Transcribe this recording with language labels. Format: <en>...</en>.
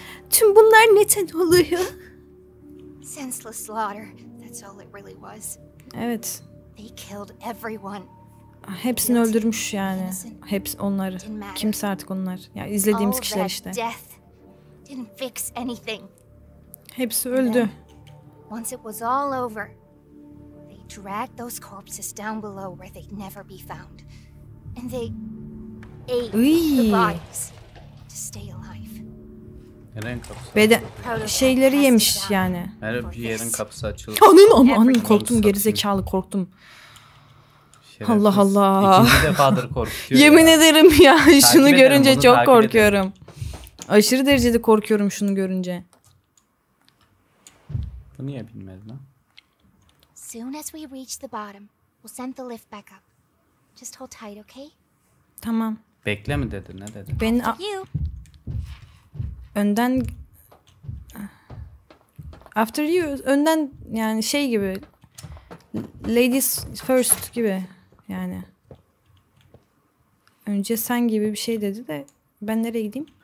<tr>Tüm bunlar neden oluyor?</tr> <en>Senseless slaughter. That's all it really was.</en> <tr>Evet.</tr> <en>They killed everyone.</en> <tr>Hepsini öldürmüş yani. Hepsi onları. Kimse artık onlar. Ya yani izlediğimiz kişiler işte.</tr> <en>Didn't fix anything.</en> <tr>Hepsi öldü.</tr> <en>Once it was all over, they dragged those corpses down below where they'd never be found. And they ate the bodies to stay alive.</en> <tr>Yerin kapısı Şeyleri yemiş yani. Her bir yerin kapısı açıldı. Anam anam korktum gerizekalı korktum. Şerefsiz. Allah Allah. İkinci defadır korkuyorum. Yemin ederim ya şunu görünce çok korkuyorum. Aşırı derecede korkuyorum şunu görünce. Bu niye bilmez lan?</tr> <en>Soon as we reach the bottom, we'll send the lift back up. Just hold tight, okay? Tamam.</en> <tr>Bekle mi dedi ne dedi? Ben önden</tr> <en>after you</en> <tr>önden yani şey gibi</tr> <en>ladies first</en> <tr>gibi yani önce sen gibi bir şey dedi de ben nereye gideyim?</tr>